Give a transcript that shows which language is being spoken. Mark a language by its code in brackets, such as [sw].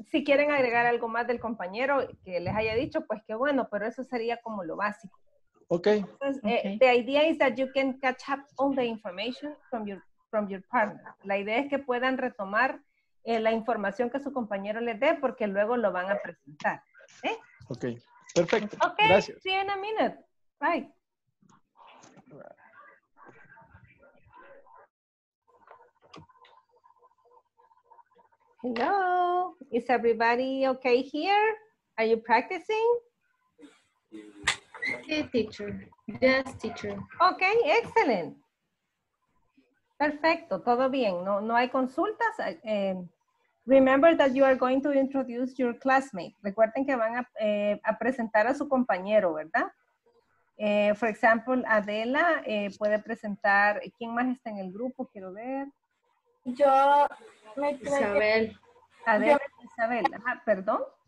[es] Si quieren agregar algo más del compañero que les haya dicho, pues qué bueno, pero eso sería como lo básico. [en] Okay. [es] Entonces, okay. [en] The idea is that you can catch up all the information from your partner. [es] La idea es que puedan retomar la información que su compañero les dé, porque luego lo van a presentar. ¿Eh? [en] Okay, perfecto. Okay, [es] gracias. [en] See you in a minute. Bye. Hello, is everybody okay here? Are you practicing? Hey, teacher. Yes, teacher. Okay, excellent. [es] Perfecto, todo bien. No hay consultas. [en] Remember that you are going to introduce your classmate. [es] Recuerden que van a presentar a su compañero, ¿verdad? [en] For example, [es] Adela puede presentar. ¿Quién más está en el grupo? Quiero ver. Yo me traje. Isabel. Isabel, perdón.